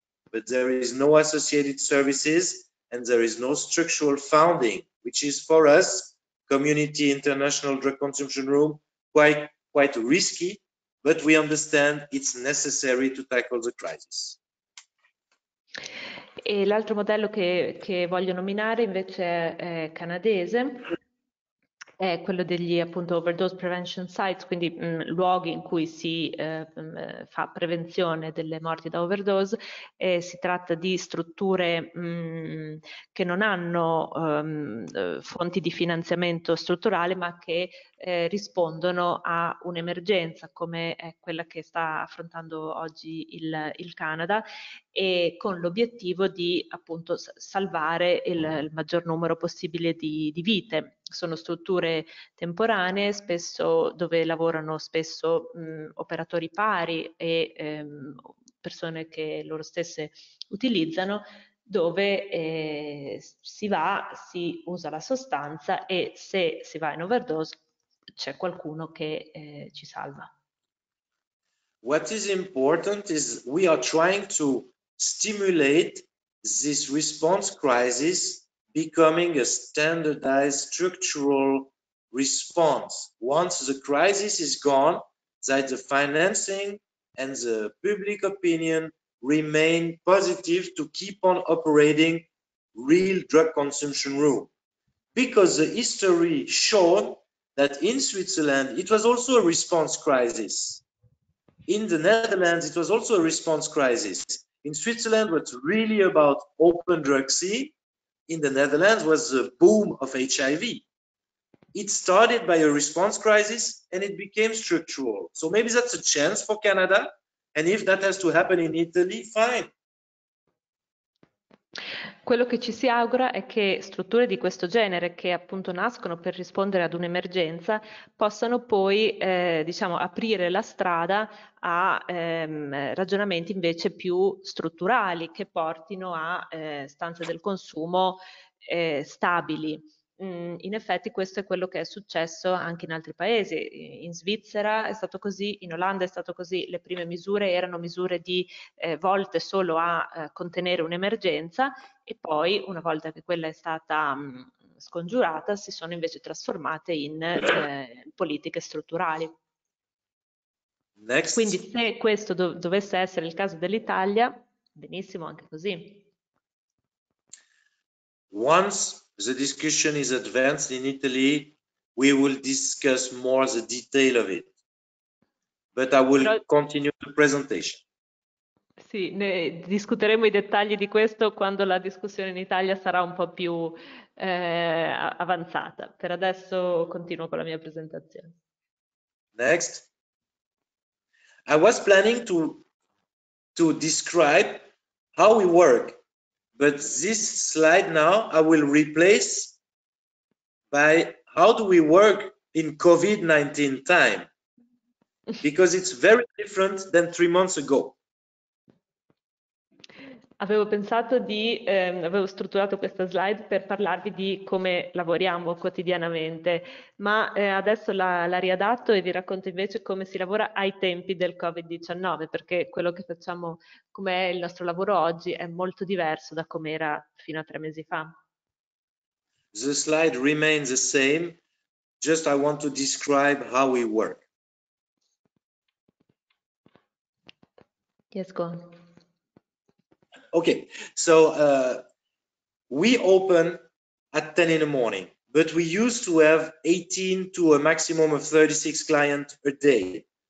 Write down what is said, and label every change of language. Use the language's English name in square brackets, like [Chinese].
[English] But there is no associated services, and there is no structural funding, which is for us, Community International Drug Consumption Room, quite risky, but we understand it's necessary to tackle the crisis. [Italian] E l'altro modello che voglio nominare invece è canadese, è quello degli appunto overdose prevention sites, quindi luoghi in cui si fa prevenzione delle morti da overdose, e si tratta di strutture che non hanno fonti di finanziamento strutturale, ma che rispondono a un'emergenza come è quella che sta affrontando oggi il Canada, e con l'obiettivo di appunto salvare il maggior numero possibile di vite. Sono strutture temporanee, spesso dove lavorano spesso operatori pari e persone che loro stesse utilizzano, dove si usa la sostanza e se si va in overdose c'è qualcuno che ci salva. [English] What is important is we are trying to stimulate this response crisis becoming a standardized structural response. Once the crisis is gone, that the financing and the public opinion remain positive to keep on operating real drug consumption room. Because the history showed that in Switzerland, it was also a response crisis. In the Netherlands, it was also a response crisis. In Switzerland, it's really about open drug scene. In the Netherlands was the boom of HIV. It started by a response crisis and it became structural. So maybe that's a chance for Canada. And if that has to happen in Italy, fine. [Italian] Quello che ci si augura è che strutture di questo genere, che appunto nascono per rispondere ad un'emergenza, possano poi diciamo, aprire la strada a ragionamenti invece più strutturali, che portino a stanze del consumo stabili. In effetti questo è quello che è successo anche in altri paesi. In Svizzera è stato così, in Olanda è stato così, le prime misure erano misure di volte solo a contenere un'emergenza, e poi, una volta che quella è stata scongiurata, si sono invece trasformate in politiche strutturali. [English] Next. [Italian] Quindi se questo dovesse essere il caso dell'Italia, benissimo, anche così. [English] Once the discussion is advanced in Italy, we will discuss more the detail of it. But I will continue the presentation. [Italian] Sì, ne discuteremo i dettagli di questo quando la discussione in Italia sarà un po' più avanzata. Per adesso continuo con la mia presentazione. [English] Next. I was planning to describe how we work. But this slide now I will replace by how do we work in COVID-19 time, because it's very different than 3 months ago. [Italian] Avevo pensato di, avevo strutturato questa slide per parlarvi di come lavoriamo quotidianamente, ma adesso la riadatto e vi racconto invece come si lavora ai tempi del Covid-19, perché quello che facciamo, come è il nostro lavoro oggi, è molto diverso da come era fino a 3 mesi fa. [English] The slide remains the same, just I want to describe how we work. Yes, go on. Okay, so we open at 10 in the morning, but we used to have 18 to a maximum of 36 clients a day.